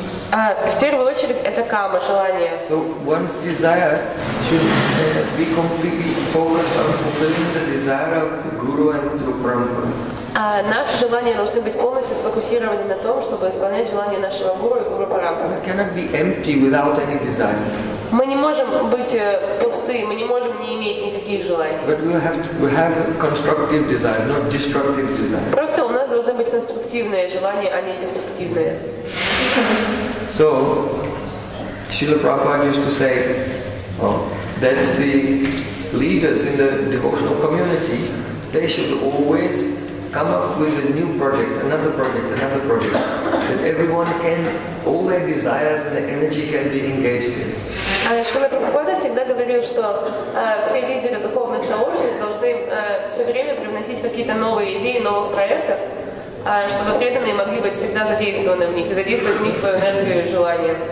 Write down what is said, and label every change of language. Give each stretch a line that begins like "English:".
Russian: В первую очередь это кама, желание.
English: So one's desire should be completely focused on fulfilling the desire of the guru and guru parampara.
Russian: Наши желания должны быть полностью сфокусированы на том, чтобы исполнять желания нашего гуру и гуру парампара.
English: We cannot be empty without any desires.
Russian: Мы не можем быть пусты, мы не можем не иметь никаких желаний.
English: But we have constructive desires, not destructive desires.
Russian: Просто у нас должны быть конструктивные желания, а не деструктивные.
English: So, Srila Prabhupada used to say, that the leaders in the devotional community, they should always come up with a new project, another project, another project, that everyone can, all their desires and their energy can be engaged in.
Russian: Srila Prabhupada всегда говорил, что все лидеры духовных сообществ должны все время привносить какие-то новые идеи, новых проектов, чтобы преданные могли быть всегда задействованы в них, задействовать в них свою энергию и желание.